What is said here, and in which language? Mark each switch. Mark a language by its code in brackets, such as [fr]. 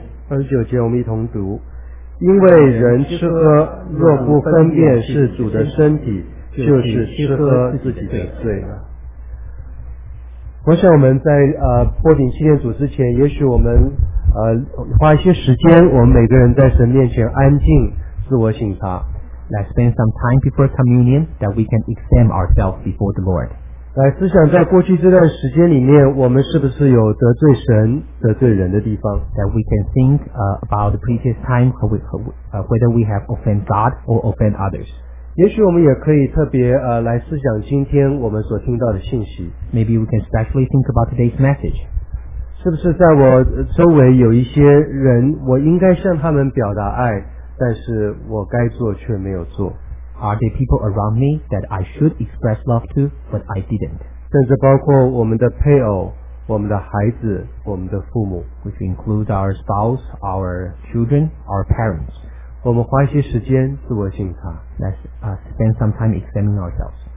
[zh] 二十九节我们一同读因为人吃喝若不分辨是主的身体就是吃喝自己的罪我想我们在擘饼纪念组之前也许我们花一些时间我们每个人在神面前安静自我省察 [en] Let's spend some time before communion that we can examine ourselves before the Lord. [zh] 来思想在过去这段时间里面我们是不是有得罪神得罪人的地方 [en] That we can think about the previous time whether we have offended God or offended others. [zh] 也许我们也可以特别来思想今天我们所听到的信息。 [en] Maybe we can specially think about today's message. [zh] 是不是在我周围有一些人，我应该向他们表达爱，但是我该做却没有做。 [en] Are there people around me that I should express love to, but I didn't? [zh] 甚至包括我们的配偶，我们的孩子，我们的父母。 [en] Which includes our spouse, our children, our parents. [zh] 我们花一些时间自我省察。 [en] Let's spend some time examining ourselves.